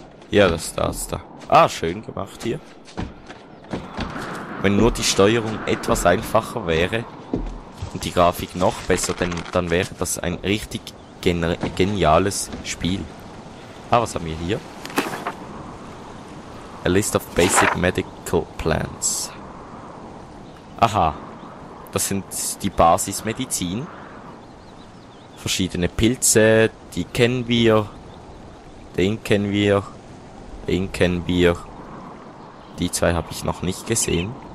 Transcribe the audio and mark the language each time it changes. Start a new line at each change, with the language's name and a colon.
German: Ja, das ist das da. Ah, schön gemacht hier. Wenn nur die Steuerung etwas einfacher wäre und die Grafik noch besser, dann wäre das ein richtig geniales Spiel. Ah, was haben wir hier?
English: A list of basic medical plants. Aha.
German: Das sind die Basismedizin. Verschiedene Pilze, die kennen wir. Den kennen wir. Den kennen wir. Die zwei habe ich noch nicht gesehen.